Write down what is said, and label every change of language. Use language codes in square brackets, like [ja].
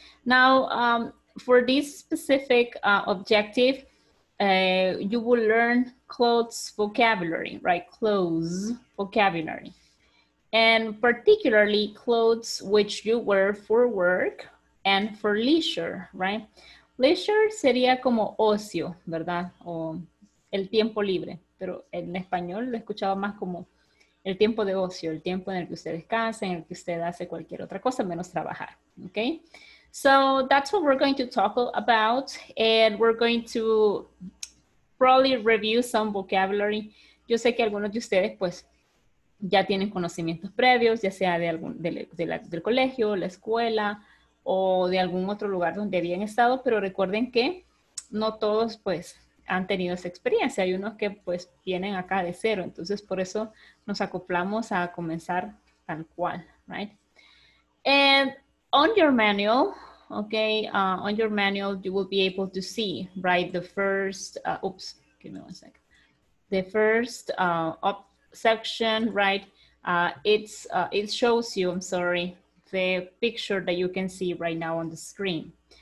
[en] Now, for this specific objective, you will learn clothes vocabulary, right? Clothes vocabulary. And particularly clothes which you wear for work and for leisure, right? [es] Leisure sería como ocio, ¿verdad? O el tiempo libre. Pero en español lo escuchaba más como el tiempo de ocio, el tiempo en el que usted descansa, en el que usted hace cualquier otra cosa menos trabajar, okay? [en] So that's what we're going to talk about, and we're going to probably review some vocabulary. [es] Yo sé que algunos de ustedes pues ya tienen conocimientos previos, ya sea de algún del colegio, la escuela o de algún otro lugar donde habían estado, pero recuerden que no todos pues han tenido esa experiencia. Hay unos que pues vienen acá de cero, entonces por eso nos acoplamos a comenzar tal cual, right? [en] And on your manual, okay, on your manual you will be able to see, right, the first give me one second, the first up section, right? It shows you, I'm sorry, the picture that you can see right now on the screen.